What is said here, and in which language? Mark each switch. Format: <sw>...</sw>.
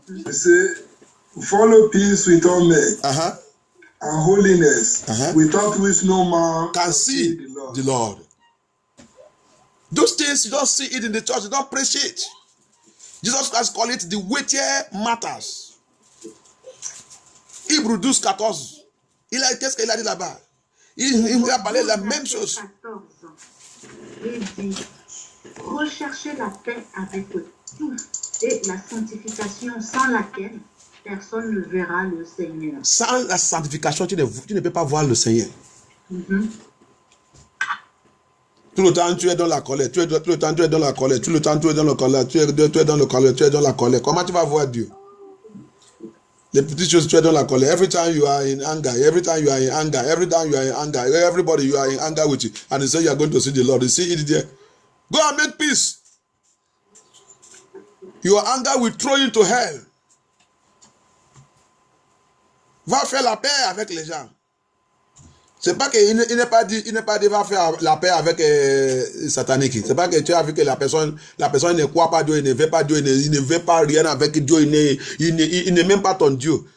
<en>You say, follow peace with all men. And holiness, without which no man can see the Lord. Those things you don't see it in the church, you don't appreciate. Jesus Christ called it the weightier matters. Hebrews 12:14.</en> <fr>Il a dit, qu'est-ce qu'il a dit là-bas? Il a parlé la même chose. Il dit, recherchez la paix avec tous et la sanctification sans laquelle personne ne verra le Seigneur. Sans la sanctification, tu ne peux pas voir le Seigneur. Tout le temps, tu es dans la colère. Tout le temps, tu es dans la colère. Comment tu vas voir Dieu? Les petites choses, tu es dans la colère.</fr> <en>Every time you are in anger. Everybody, you are in anger with you. And you say you are going to see the Lord. You see it there. Go and make peace. Your anger will throw you to hell.</en> <fr>Va faire la paix avec les gens. C'est pas que il n'est pas dit va faire la paix avec satanique. C'est pas que tu as vu que la personne ne croit pas Dieu, il ne veut pas Dieu, il ne veut pas rien avec Dieu, il n'est même pas ton Dieu.</fr>